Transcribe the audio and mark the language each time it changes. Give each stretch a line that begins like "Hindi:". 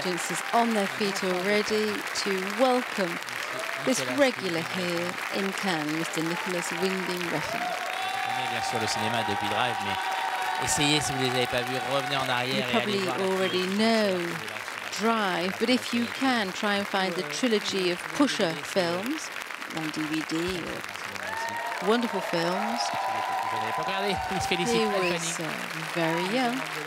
English: The audience is on their feet already to welcome this regular here in Cannes, Mr. Nicolas Winding Refn.
French: Vous bien sûr le cinéma depuis Drive, mais essayez si vous ne les avez pas vus, revenez en arrière.
English: You probably already know Drive, but if you can, try and find the trilogy of Pusher films on DVD. Wonderful films. He was very young.